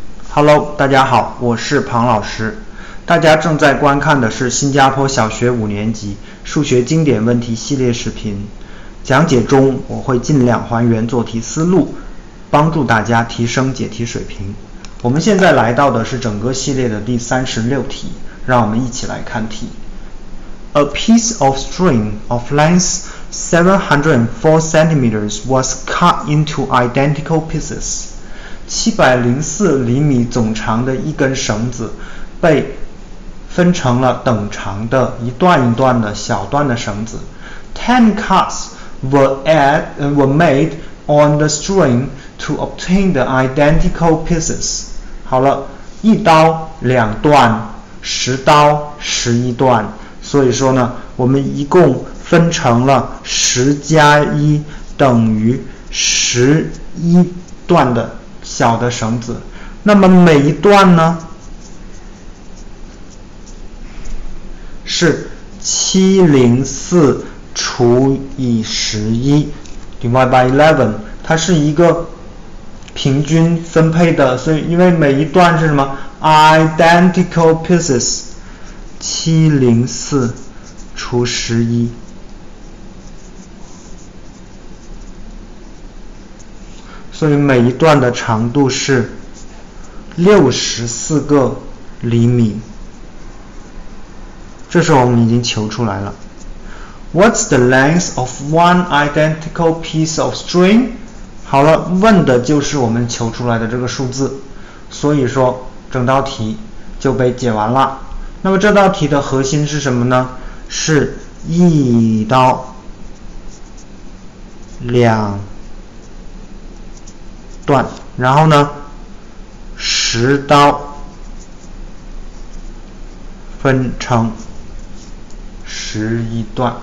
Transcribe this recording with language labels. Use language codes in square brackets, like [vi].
[zh] Hello， 大家好，我是庞老师。大家正在观看的是新加坡小学五年级数学经典问题系列视频。讲解中我会尽量还原做题思路，帮助大家提升解题水平。我们现在来到的是整个系列的第36题，让我们一起来看题。 [en] A piece of string of length 704 cm was cut into identical pieces。 [zh] 704厘米总长的一根绳子被分成了等长的一段一段的小段的绳子。 [en] 10 cuts were made on the string to obtain the identical pieces。 [zh] 好了，一刀两段，十刀十一段，所以说呢，我们一共分成了十加一等于十一段的小的绳子。那么每一段呢是704除以11 [en] divide by 11， [zh] 它是一个平均分配的，所以因为每一段是什么 [en] identical pieces， [zh] 704除11，所以每一段的长度是64个厘米，这时候我们已经求出来了。 [en] What's the length of one identical piece of string? [zh] 好了，问的就是我们求出来的这个数字，所以说整道题就被解完了。那么这道题的核心是什么呢？是一刀两段，然后呢十刀分成十一段。